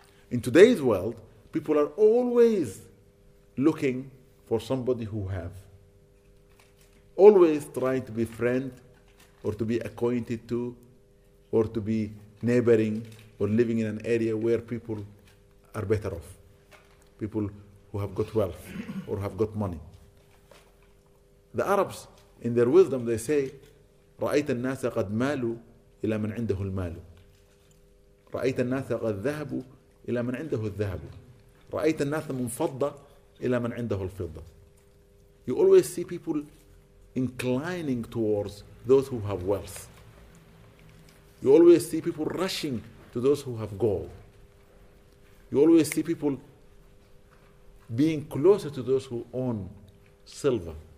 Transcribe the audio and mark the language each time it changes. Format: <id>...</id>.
<en>In today's world, people are always looking for somebody who have. Always trying to be friend or to be acquainted to or to be neighboring or living in an area where people are better off. People who have got wealth or have got money. The Arabs, in their wisdom, they say,</en> <ar>رَأَيْتَ النَّاسَ قَدْ مَالُوا إِلَى مَنْ عِنْدَهُ الْمَالُ رَأَيْتَ النَّاسَ قَدْ ذَهَبُوا إلى من عنده الذهب رأيت الناس منفضة إلى من عنده الفضة.</ar> <en>You always see people inclining towards those who have wealth. You always see people rushing to those who have gold. You always see people being closer to those who own silver.</en>